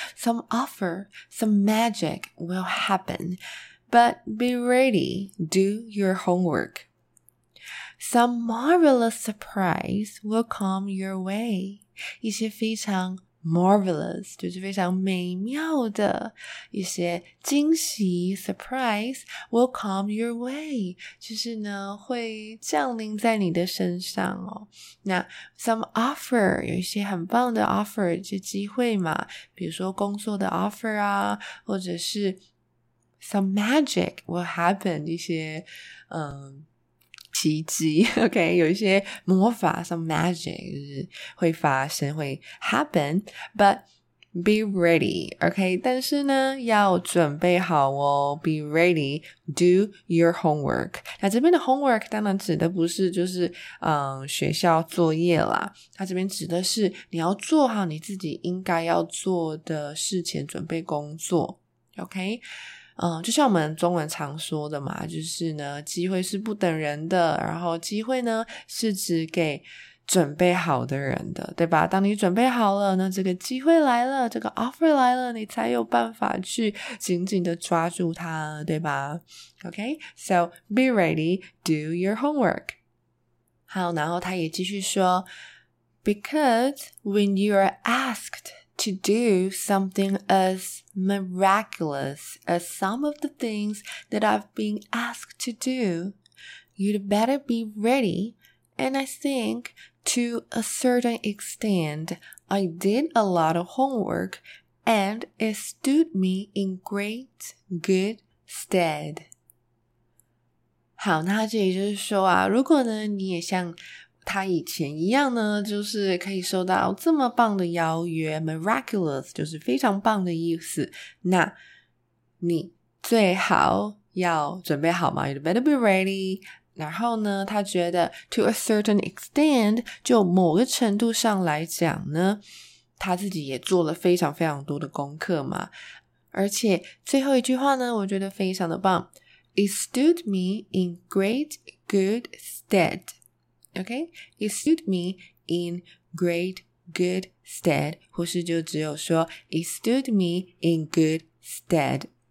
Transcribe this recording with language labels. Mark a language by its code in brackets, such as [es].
[en] Some offer, some magic will happen. But be ready, do your homework. Some marvelous surprise will come your way. [zh] 一些非常marvelous, 就是非常美妙的一些惊喜 [en] surprise will come your way, [zh] 就是呢会降临在你的身上哦。那 [en] some offer, [zh] 有一些很棒的 offer, 就机会嘛，比如说工作的 offer 啊，或者是 [en] some magic will happen, [zh] 一些奇迹 ,OK, 有一些魔法 ,some magic, 就是会发生会 happen, [en] but be ready, [zh] OK,、okay? 但是呢要准备好哦 , [en] be ready, do your homework. [zh] 那这边的 homework 当然指的不是就是学校作业啦，它这边指的是你要做好你自己应该要做的事前准备工作 ,OK,就像我们中文常说的嘛，就是呢机会是不等人的，然后机会呢是指给准备好的人的，对吧？当你准备好了，那这个机会来了，这个 offer 来了，你才有办法去紧紧的抓住它，对吧？ [en] OK, so be ready, do your homework. [zh] 好，然后他也继续说 [en] Because when you are askedTo do something as miraculous as some of the things that I've been asked to do, you'd better be ready. And I think, to a certain extent, I did a lot of homework and it stood me in great good stead. [zh] 好，那这也就是说啊，如果呢，你也像他以前一样呢，就是可以收到这么棒的邀约 miraculous 就是非常棒的意思，那你最好要准备好嘛， [en] you'd better be ready。 [zh] 然后呢他觉得 [en] to a certain extent [zh] 就某个程度上来讲呢，他自己也做了非常非常多的功课嘛，而且最后一句话呢，我觉得非常的棒。 [en] It stood me in great good stead. Okay? It stood me in great good stead. [zh] 或是就只有说 [en] It stood me in good stead.